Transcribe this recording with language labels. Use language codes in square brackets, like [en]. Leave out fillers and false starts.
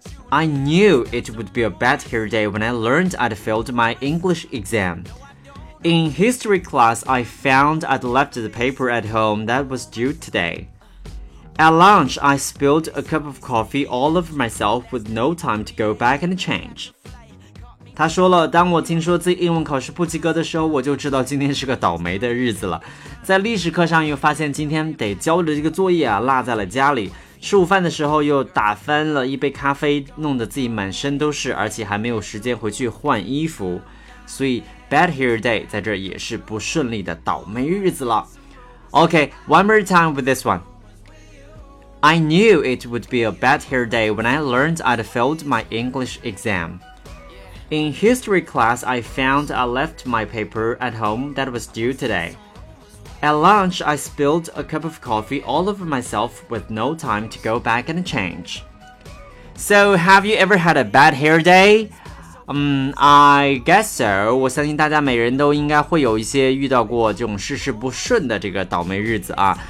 [en] I knew it would be a bad hair day when I learned I'd failed my English exam. In history class, I found I'd left the paper at home that was due today. At lunch, I spilled a cup of coffee all over myself with no time to go back and change. [zh] 他说了，当我听说自己英文考试不及格的时候，我就知道今天是个倒霉的日子了。在历史课上又发现今天得交的这个作业啊，落在了家里。吃午饭的时候又打翻了一杯咖啡，弄得自己满身都是，而且还没有时间回去换衣服，所以 bad hair day 在这也是不顺利的倒霉日子了。 [en] OK, one more time with this one. I knew it would be a bad hair day when I learned I'd failed my English exam. In history class, I found I left my paper at home that was due today. At lunch, I spilled a cup of coffee all over myself with no time to go back and change. So, have you ever had a bad hair day? I guess so. [zh] 我相信大家每人都应该会有一些遇到过这种事事不顺的这个倒霉日子啊。